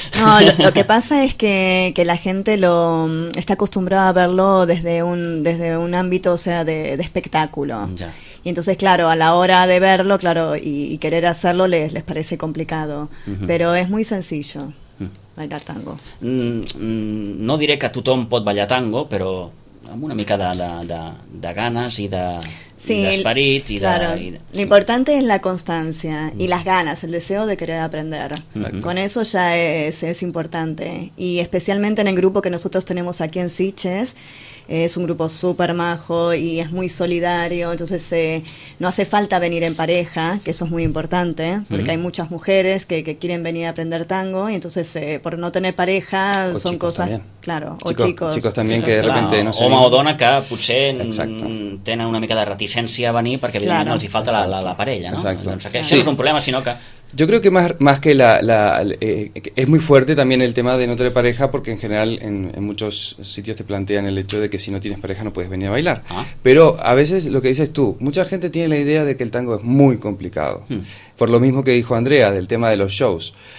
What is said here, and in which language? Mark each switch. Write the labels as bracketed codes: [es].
[es] No, lo que pasa es que la gente está acostumbrada a verlo desde un ámbito, o sea, de espectáculo. Ya. Y entonces, claro, a la hora de verlo, claro, y querer hacerlo les parece complicado. Pero es muy sencillo bailar tango. [ca] No diré que a tothom pot ballar tango, però amb una mica de ganes i de... Sí, esperit, [es] claro. Lo importante es la constancia y las ganas, el deseo de querer aprender. Exacto. Con eso ya es importante. Y especialmente en el grupo que nosotros tenemos aquí en Sitges, es un grupo súper majo y es muy solidario. Entonces no hace falta venir en pareja, que eso es muy importante, porque hay muchas mujeres que quieren venir a aprender tango. Y entonces por no tener pareja o son cosas... También. Claro, chicos también, que de repente no sé. [ca] Home o dona que potser tenen una mica de reticència a venir perquè evidentment els hi falta la parella, no? [es] Exacto. [ca] Doncs aquest no és un problema, sinó que... [es] Yo creo que más que es muy fuerte también el tema de no tener pareja, porque en general en muchos sitios te plantean el hecho de que si no tienes pareja no puedes venir a bailar. Pero a veces lo que dices tú, mucha gente tiene la idea de que el tango es muy complicado, por lo mismo que dijo Andrea del tema de los shows.